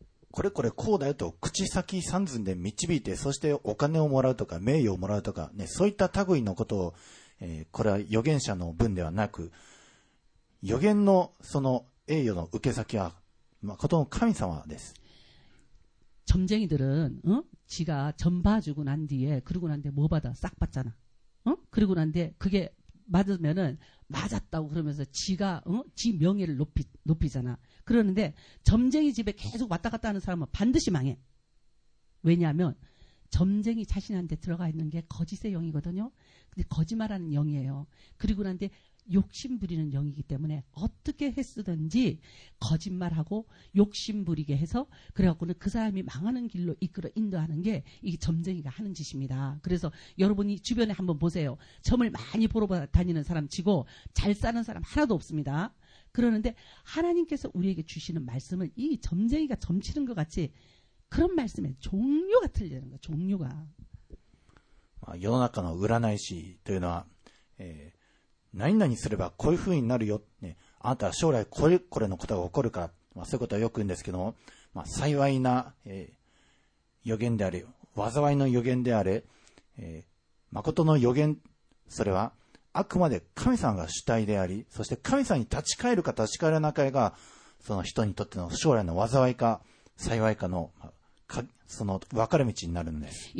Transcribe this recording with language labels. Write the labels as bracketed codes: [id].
[ja] これこれこうだよと口先三寸で導いて、そして、お金をもらうとか、名誉をもらうとか、ね、そういった類のことを、これは予言者の分ではなく、予言のその栄誉の受け先は、まことの神様です。 [ko] 점쟁이들은 응? 지가 점 봐주고 난 뒤에 그러고 난 뒤에 뭐 받아? 싹 받잖아. 응? 그러고 난 뒤에 그게 맞으면은 맞았다고 그러면서 지가 응? 지 명예를 높이잖아. 그러는데 점쟁이 집에 계속 왔다 갔다 하는 사람은 반드시 망해. 왜냐하면 점쟁이 자신한테 들어가 있는 게 거짓의 영이거든요. 근데 거짓말하는 영이에요. 그리고 나한테 욕심부리는 영이기 때문에 어떻게 했으든지 거짓말하고 욕심부리게 해서 그래갖고는 그 사람이 망하는 길로 이끌어 인도하는 게 이게 점쟁이가 하는 짓입니다. 그래서 여러분이 주변에 한번 보세요. 점을 많이 보러 다니는 사람 치고 잘 사는 사람 하나도 없습니다. 그러는데 하나님께서 우리에게 주시는 말씀은 이 점쟁이가 점치는 것 같이 그런 말씀의 종류가 틀리는 거야. 종류가. 여론학과의 우라나이시 [ja] というのは 何々すればこういうふうになるよあなたは将来これこれのことが起こるか、まあ、そういうことはよく言うんですけども、まあ、幸いな、予言であれ、災いの予言であれ、誠の予言、それはあくまで神様が主体であり、そして神様に立ち返るか立ち返らないかが、その人にとっての将来の災いか幸いかの、その分かれ道になるんです。